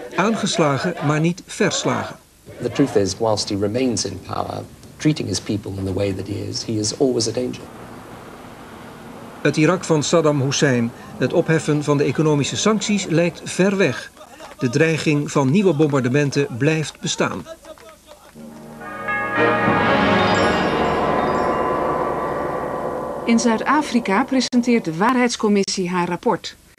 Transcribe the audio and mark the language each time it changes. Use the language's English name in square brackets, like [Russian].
[Dutch] Aangeslagen, maar niet verslagen. [English] The truth is, whilst he remains in power, treating his people in the way that he is always a danger. [Dutch] Het Irak van Saddam Hussein. Het opheffen van de economische sancties lijkt ver weg. De dreiging van nieuwe bombardementen blijft bestaan. In Zuid-Afrika presenteert de Waarheidscommissie haar rapport.